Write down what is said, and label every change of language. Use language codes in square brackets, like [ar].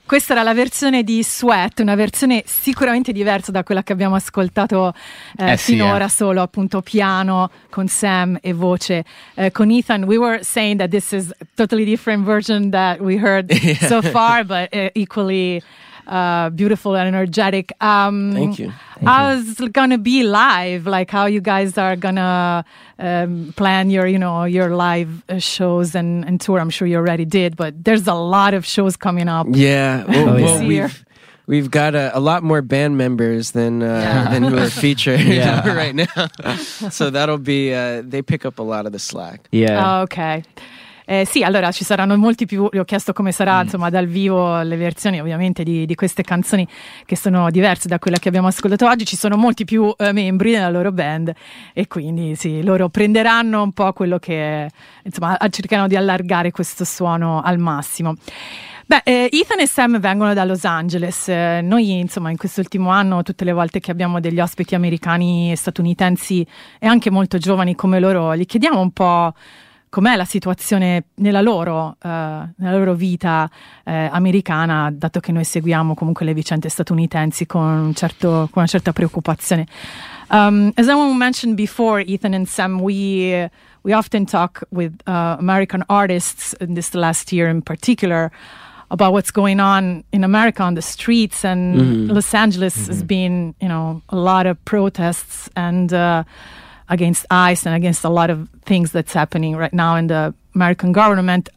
[it] Questa era la versione di Sweat, una versione sicuramente diversa da quella che abbiamo ascoltato finora, solo appunto piano con Sam e voce con Ethan. [en] We were saying that this is a totally different version that we heard so far, but equally beautiful and energetic. How's it gonna be live? Like, how you guys are gonna plan your, you know, your live shows and tour? I'm sure you already did, but there's a lot of shows coming up. Yeah, we've got a lot more band members than who are featured right now. So that'll be they pick up a lot of the slack. Yeah. Okay. [it] Sì, allora ci saranno molti più, ho chiesto come sarà insomma dal vivo le versioni ovviamente di queste canzoni che sono diverse da quella che abbiamo ascoltato oggi. Ci sono molti più membri nella loro band e quindi sì, loro prenderanno un po' quello che insomma cercheranno di allargare questo suono al massimo. Beh, Ethan e Sam vengono da Los Angeles. Noi insomma in quest'ultimo anno tutte le volte che abbiamo degli ospiti americani e statunitensi e anche molto giovani come loro, gli chiediamo un po' com'è la situazione nella loro vita americana, dato che noi seguiamo comunque le vicende statunitensi con un certo, con una certa preoccupazione. [en] As someone mentioned before, Ethan and Sam, we often talk with American artists in this last year in particular about what's going on in America on the streets, and Los Angeles has been, you know, a lot of protests and against ICE and against a lot of things that's happening right now in the American government.